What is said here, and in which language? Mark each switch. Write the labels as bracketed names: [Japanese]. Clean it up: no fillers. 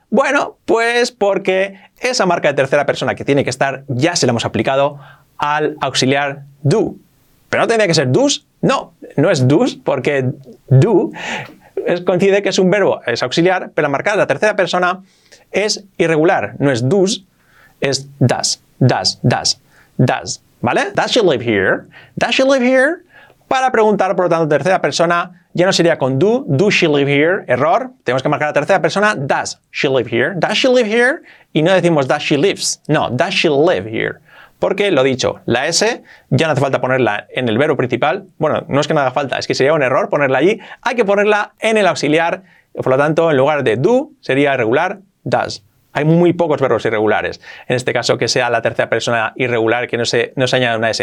[Spanish] Bueno, pues porque esa marca de tercera persona que tiene que estar ya se la hemos aplicado al auxiliar do. ¿Pero no tendría que ser does? No, no es does porque do coincide que es un verbo, es auxiliar, pero la marca de la tercera persona es irregular. No es does, es does, does, does, does, ¿vale? [English] Does she live here? [Spanish] Does she live here? Para preguntar, por lo tanto, tercera persona, ya no sería con do, [English] do she live here, [Spanish] error. Tenemos que marcar la tercera persona, [English] does she live here? [Spanish] Does she live here? Y no decimos [English] does she lives, [Spanish] no, [English] does she live here. [Spanish] Porque, lo dicho, la S ya no hace falta ponerla en el verbo principal. Bueno, no es que no haga falta, es que sería un error ponerla allí. Hay que ponerla en el auxiliar. Por lo tanto, en lugar de do, sería irregular, does. Hay muy pocos verbos irregulares. En este caso, que sea la tercera persona irregular, que no se añade una S.